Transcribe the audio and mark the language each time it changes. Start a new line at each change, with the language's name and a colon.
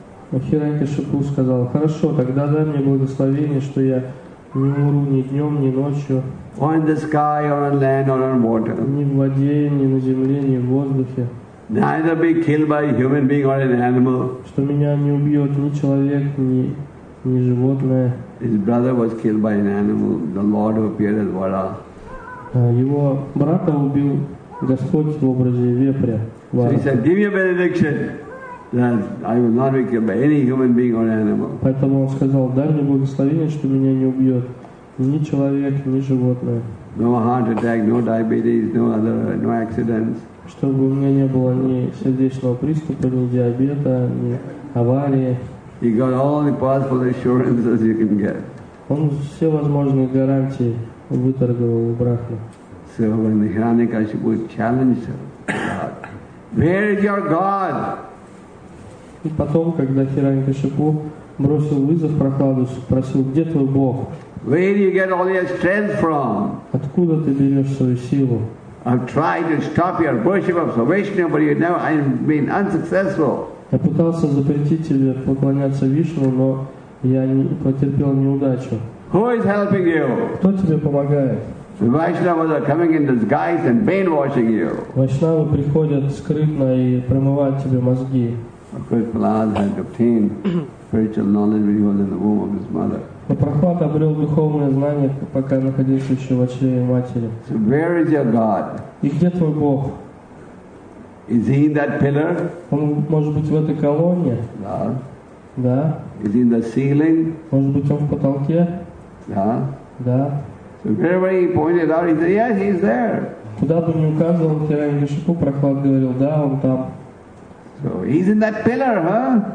Russian: Hirani Kashipu сказал, "Хорошо, тогда дай мне благословение, что я не умру ни днем, ни ночью."
English: Or in the sky, or on land, or on water.
Russian: Ни в воде, ни на земле, ни в воздухе.
English: Neither be killed by a human being or an animal.
Russian: Что меня не убьет ни человек, ни животное.
English: His brother was killed by an animal, the Lord who appeared as Vara.
Russian: Его брата убил Господь в образе вепря.
English: So he said, give me a benediction that I will not be killed by any human being or animal.
Russian: Поэтому он сказал, дай мне благословение, что меня не убьет ни человек, ни животное.
English: No heart attack, no diabetes, no accidents.
Russian: Чтобы у меня не было ни сердечного приступа, ни диабета, ни аварии.
English: You got all the possible assurances you can get.
Russian: Он все возможные гарантии выторговал у Брахмы.
English: So when Hirani Kashipu challenged God, where is your God?
Russian: И потом, когда Хирани Кашипу бросил вызов Прохладу, спросил, где твой Бог?
English: Where do you get all your strength from?
Russian: Откуда ты берешь свою силу?
English: I've tried to stop your worship of Vishnu, but I've been unsuccessful.
Russian: Я пытался запретить тебе поклоняться Вишну, но я не потерпел неудачу.
English: Who is helping you?
Russian: Кто тебе помогает?
English: The Vaishnavas are coming in disguise and brainwashing you.
Russian: Вайшнавы приходят скрытно и промывают тебе мозги.
English: Of course, Prahlad had obtained spiritual knowledge when he was in the womb of his mother.
Russian: Но Прохлад обрел духовное знание, пока находился еще в чреве матери.
English: So where is your God?
Russian: И где твой Бог?
English: Is he in that pillar?
Russian: Он может быть в этой колонне? Да. Да.
English: Is he in the ceiling?
Russian: Может быть, он в потолке? Да. Да.
English: So wherever he pointed out, he said, yes, he's there.
Russian: Куда бы ни указывал Хирани Кашипу, Прохлад говорил, да, он там.
English: So he's in that pillar, huh?